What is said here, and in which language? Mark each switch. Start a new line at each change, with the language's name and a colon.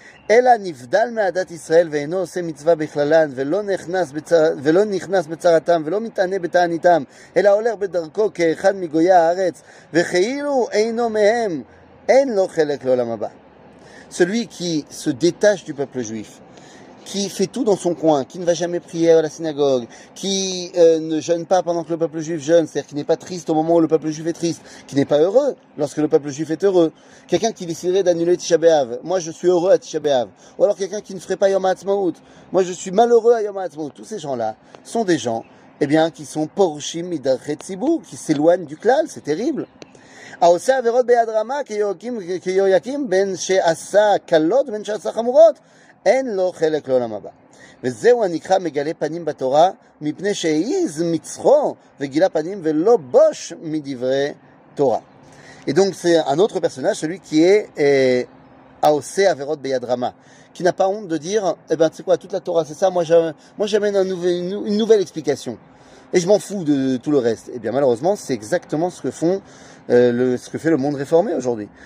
Hebrew: אלא נבדל מהדת ישראל ואינו עושה מצווה בכללן ולא נכנס, ולא נכנס בצרתם ולא מתענה בתעניתם אלא הולך בדרכו כאחד מגויי הארץ וכאילו אינו מהם אין לו חלק לעולם הבא.
French: Celui qui se détache du peuple juif, qui fait tout dans son coin, qui ne va jamais prier à la synagogue, qui ne jeûne pas pendant que le peuple juif jeûne, c'est-à-dire qui n'est pas triste au moment où le peuple juif est triste, qui n'est pas heureux lorsque le peuple juif est heureux, quelqu'un qui déciderait d'annuler Tisha B'Av, moi je suis heureux à Tisha B'Av, ou alors quelqu'un qui ne ferait pas Yom HaAtzmaout, moi je suis malheureux à Yom HaAtzmaout, tous ces gens-là sont des gens eh bien, qui sont
Hebrew: porchim midrashet tzibur,
French: qui s'éloignent du klal, c'est terrible.
Hebrew: העושה עבירות ביד רמה כיהויקים בין שעשה קלות ובין שעשה חמורות אין לו חלק לעולם הבא וזהו הנקרא מגלה פנים בתורה מפני שהעיז מצחו וגילה פנים ולא בוש מדברי תורה.
French: Et donc c'est un autre personnage, celui qui est
Hebrew: העושה עבירות ביד רמה,
French: qui n'a pas honte de dire eh ben c'est quoi toute la Torah c'est ça, moi j'amène une nouvelle explication et je m'en fous de tout le reste. Et bien malheureusement c'est exactement ce que font ce que fait le monde réformé aujourd'hui.